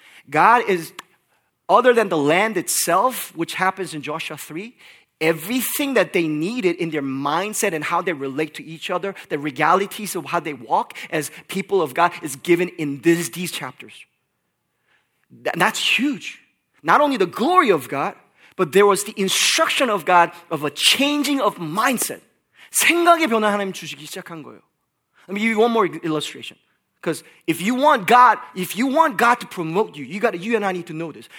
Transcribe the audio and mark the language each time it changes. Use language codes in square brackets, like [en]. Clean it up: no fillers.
[en] God is, other than the land itself, which happens in Joshua 3, everything that they needed in their mindset and how they relate to each other, the realities of how they walk as people of God is given in these chapters. That's huge. Not only the glory of God, but there was the instruction of God of a changing of mindset. [ko] 생각의 변화 하나님 주시기 시작한 거예요. [en] Let me give you one more illustration. Because if you want God to promote you, you and I need to know this.